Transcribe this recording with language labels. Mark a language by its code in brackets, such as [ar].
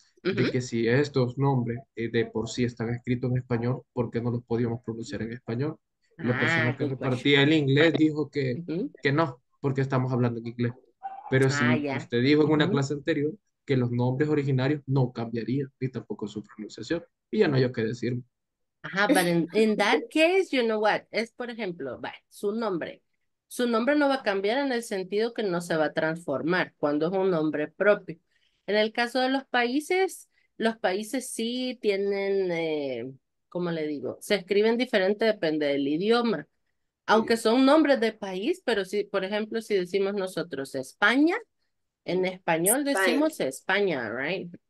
[es] De que si estos nombres de por sí están escritos en español, ¿por qué no los podíamos pronunciar en español? La persona que repartía el inglés dijo que no, porque estamos hablando en inglés. Pero si usted dijo en una clase anterior que los nombres originarios no cambiarían ni tampoco su pronunciación. Y ya no hay que decir. [en] Ajá, but in that case, you know what? [es] Es, por ejemplo, su nombre. Su nombre no va a cambiar en el sentido que no se va a transformar cuando es un nombre propio. En el caso de los países, los países sí tienen, ¿cómo le digo? Se escriben diferente, depende del idioma. Aunque son nombres de país, pero si, por ejemplo, si decimos nosotros España, en español decimos España, right?